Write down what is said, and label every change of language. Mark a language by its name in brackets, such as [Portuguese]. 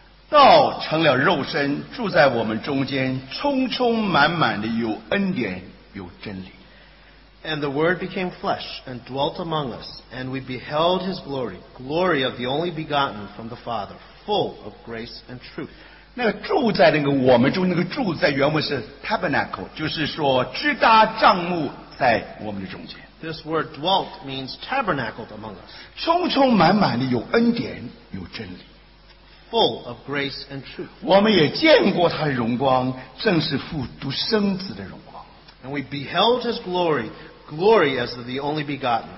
[Chinese] 道成了肉身, 住在我们中间, 充充满满的有恩典有真理。 [English] And the word became flesh and dwelt among us, and we beheld his glory, glory of the only begotten from the Father, full of grace and truth. [Chinese] 那个住在原文是 tabernacle, 就是说支搭帐幕在我们的中间。 [English] This word dwelt means tabernacled among us. [Chinese] 充充满满的有恩典有真理。 [English] Full of grace and truth. [Chinese] 我们也见过他的荣光, 正是父独生子的荣光。 [English] And we beheld his glory, glory as the only begotten.